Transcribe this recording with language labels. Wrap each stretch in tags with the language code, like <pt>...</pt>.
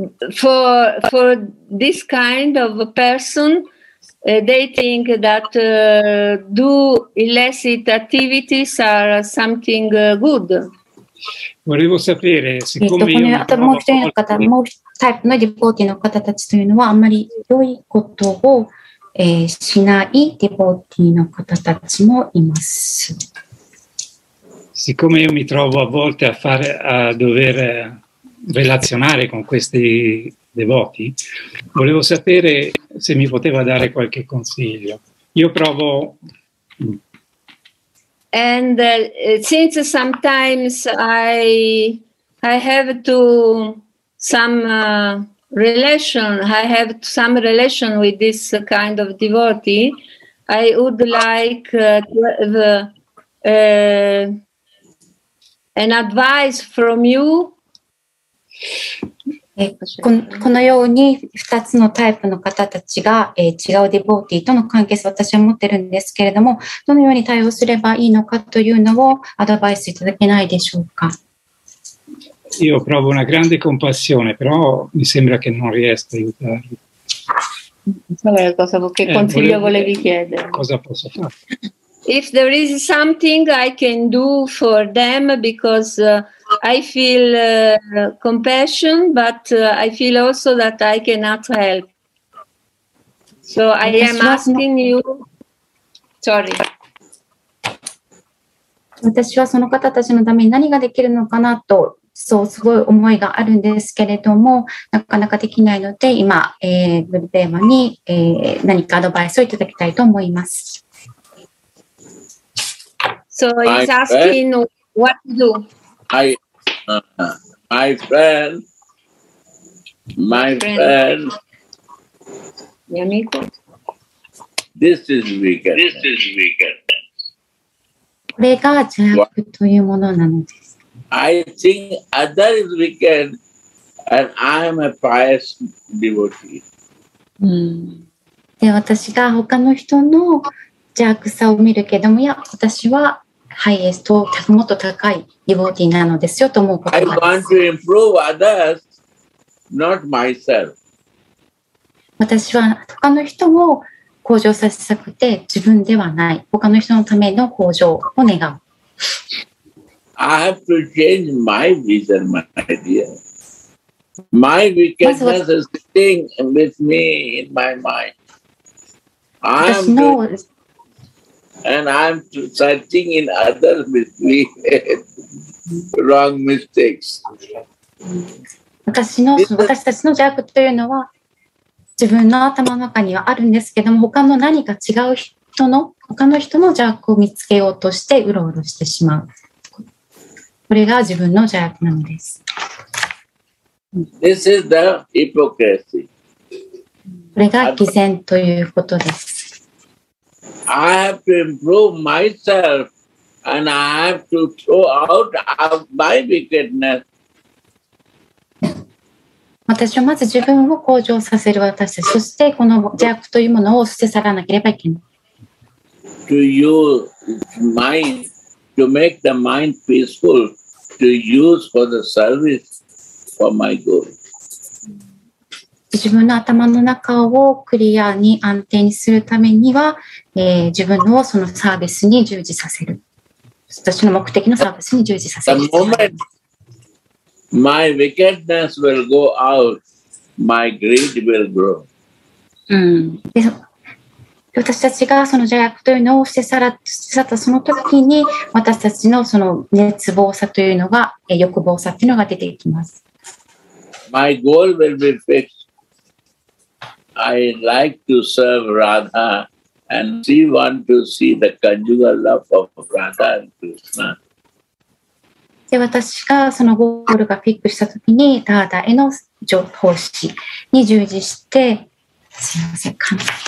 <en>For this kind of person, they think that do illicit activities are something good.</en> <it>volevo sapere, siccome io mi trovo molto...</it> <ja>もう一タイプのディボーティの方たちというのはあんまり良いことを、しないディボーティの方たちもいます。</ja> <it>Siccome io mi trovo a volte a fare a dover relazionare con questi devoti, volevo sapere se mi poteva dare qualche consiglio. Io provo.</it> <en>And since sometimes I have to some relation, I have some relation with this kind of devotee, I would like to have an advice from you.</en> <ja>このように2つのタイプの方たちが、違うディボーティーとの関係性を私は持ってるんですけれども、どのように対応すればいいのかというのをアドバイスいただけないでしょうか。</ja> <it>Io provo una grande compassione, però mi sembra che non riesco a aiutarli. Che consiglio volevi chiedere? Cosa posso fare?</it> <en>If there is something I can do for them, because I feel compassion, but I feel also that I cannot help. So I am asking you. Sorry.</en> <ja>私はその方たちのために何ができるのかなと、そうすごい思いがあるんですけれども、なかなかできないので、今、ブルデーマに、何かアドバイスをいただきたいと思います。</ja> <en>So he's asking what to do. My friend,</en> <it>mi amico.</it> <en>This is wickedness. I think other is wicked, and I am a pious devotee.</en> <ja>で私が他の人の邪悪さを見るけども、いや私はハイエスト、もっと高いディボーティーなのですよと思うことがあります。</ja> <en>I want to improve others, not myself.</en> <ja>私は他の人を向上させたくて自分ではない。他の人のための向上を願う。</ja> <en>I have to change my vision, my idea. My wickedness is sitting with me in my mind. And I'm searching in others with me wrong mistakes.</en> <ja>私たちの邪悪というのは自分の頭の中にはあるんですけども、他の何か違う人の他の人の邪悪を見つけようとしてうろうろしてしまう。これが自分の邪悪なのです。</ja> <en>This is the hypocrisy.</en> <ja>これが偽善ということです。</ja> <en>I have to improve myself and I have to throw out my wickedness.</en> <ja>私はまず自分を向上させる私、そしてこの邪悪というものを捨て去らなければいけない。</ja> <en>To use mind, to make the mind peaceful, to use for the service for my good.</en> <ja>自分の頭の中をクリアに安定にするためには、自分のそのサービスに従事させる。私の目的のサービスに従事させる。</ja> <en>The moment my wickedness will go out, my greed will grow. で私たちがその邪悪というのを捨て去ったその時に、私たちのその熱望さというのが、欲望さというのが出ていきます。 My goal will be fixed. I like to serve Radha and she want to see the conjugal love of Radha and Krishna.</en> <ja>で私がそのゴールがフィックしたときに、ラーダへの奉仕に従事して、すいません、かん</ja>